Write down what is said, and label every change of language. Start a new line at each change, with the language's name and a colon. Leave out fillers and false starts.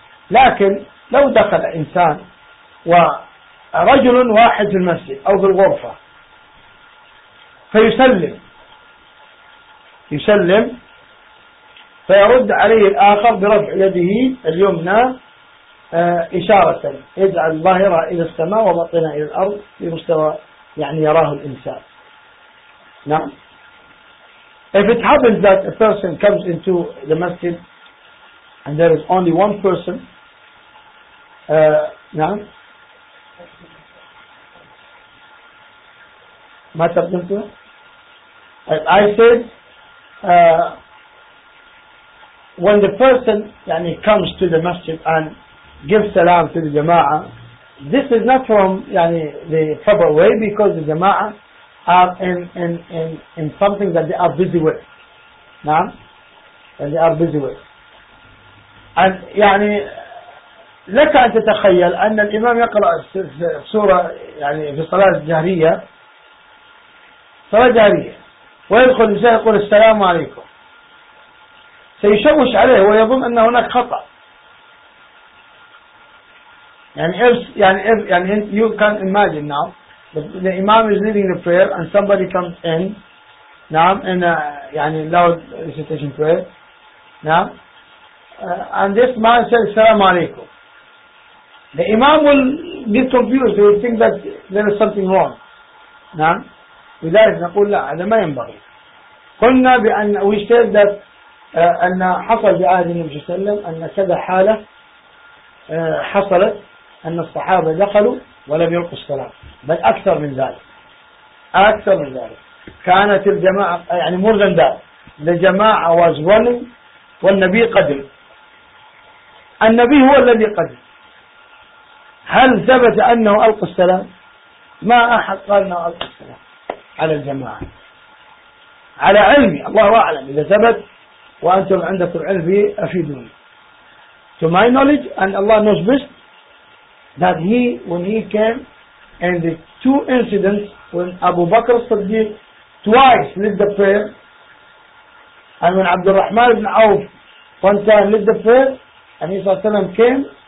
Arabic: لكن لو دخل إنسان ورجل واحد في المسجد أو في الغرفة فيسلم، يسلم فيرد عليه الآخر برفع يده اليمنى إشارة اجعل ظاهرة إلى السماء وبطنة إلى الأرض بمستوى يعني يراه الإنسان. نعم.
English: If it happens that a person comes into the masjid and there is only one person,
Arabic: نعم. ما تقدمت؟
English: I said when the person يعني comes to the masjid and gives salam to the jama'ah, this is not from يعني the proper way because the jama'ah are in something that they are busy with.
Arabic: نعم.
English: And they are busy with.
Arabic: And يعني لك أن تتخيل أن الإمام يقرأ سورة يعني في صلاة جهرية، صلاة جهرية، ويدخل النساء يقول السلام عليكم، سيشوش عليه ويظن أن هناك خطأ.
English: يعني if يعني if يعني you can imagine now the imam is leading the prayer and somebody comes in نعم in a يعني loud recitation prayer نعم and this man says
Arabic: السلام عليكم.
English: The imam will be confused. He will think that there is something wrong.
Arabic: نعم. لذلك نقول لا، هذا ما ينبغي. قلنا بأن
English: we said that
Arabic: أن حصل في عهد النبي صلى الله عليه وسلم أن كذا حالة حصلت، أن الصحابة دخلوا ولم يلقوا السلام، بل أكثر من ذلك، أكثر من ذلك. كانت الجماعة يعني
English: more than that. The جماعة was running
Arabic: والنبي قدم. النبي هو الذي قدم. هل ثبت أنه ألقى السلام؟ ما أحد قال أنه ألقى السلام على الجماعة. على علمي، الله أعلم إذا ثبت وأنتم عندكم علم أفيدوني.
English: To my knowledge and Allah knows best that he when he came and the two incidents when Abu Bakr Siddiq twice led the prayer and when Abdul Rahman ibn Auf one time led the prayer and he came